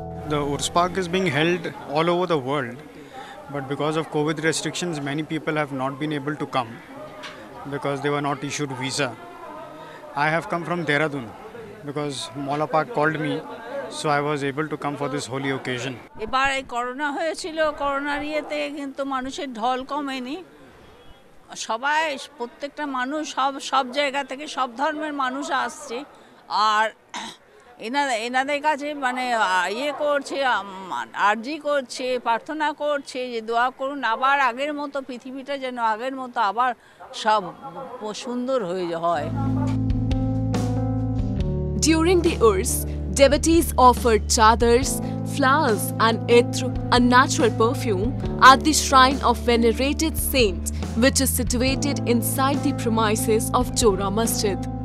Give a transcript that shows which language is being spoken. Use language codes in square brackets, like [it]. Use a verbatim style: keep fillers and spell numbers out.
[en] The Uruz Pak is being held all over the world, but because of COVID restrictions, many people have not been able to come because they were not issued visa. I have come from Dehradun because Mola Pak called me, so I was able to come for this holy occasion. [bn] এবার এই corona হয়েছিল, করোনার ইয়েতে কিন্তু মানুষের ঢল কমেনি, সবাই প্রত্যেকটা মানুষ সব সব জায়গা থেকে সব ধর্মের মানুষ আসছে, আর এনাদের এনাদের কাছে মানে ইয়ে করছে, আরজি করছে, প্রার্থনা করছে যে দোয়া করুন আবার আগের মতো পৃথিবীটা যেন আগের মতো আবার সব সুন্দর হয়ে হয়। [en] During the Uruz, devotees offered chadars, flowers and etru, a natural perfume, at the shrine of venerated saint, which is situated inside the premises of Chora Masjid.